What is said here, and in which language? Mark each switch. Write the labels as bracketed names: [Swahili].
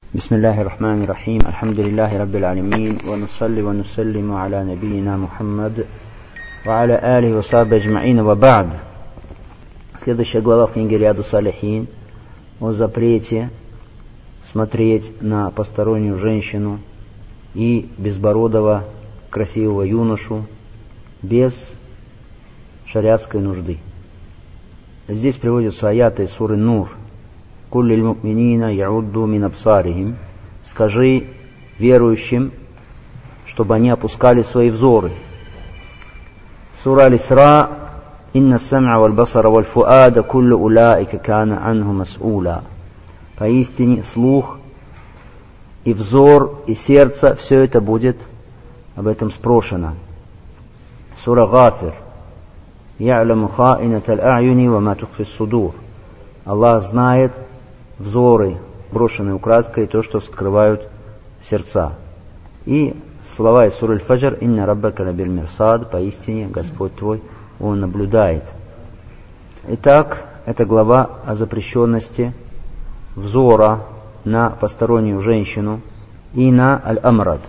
[Arabic] بسم الله الرحمن الرحيم الحمد لله رب العالمين ونصلي ونسلم على نبينا محمد وعلى آله وصحبه أجمعين وبعد [Russian] следующая глава в книге Рияду Салихин о запрете смотреть на постороннюю женщину и безбородого красивого юношу без шариатской нужды. Здесь приводятся аяты суры Нур. [Arabic] قل للمؤمنين يعدوا من أبصارهم. [Russian] Скажи верующим, чтобы они опускали свои взоры. Сура Аль-Исра. [Arabic] إن السمع والبصر والفؤاد كل أولئك كان عنه مسؤولا. [Russian] Поистине слух и взор и сердце все это будет об этом спрошено. Сура Гафир. [Arabic] يعلم خائنة الأعين وما تخفي الصدور. [Russian] Аллах знает взоры, брошенные украдкой, то, что вскрывают сердца. И слова из суры Аль-Фаджр, [Arabic] «Инна раббака лабил мирсад», [Russian] поистине Господь твой, Он наблюдает. Итак, это глава о запрещенности взора на постороннюю женщину и на Аль-Амрад.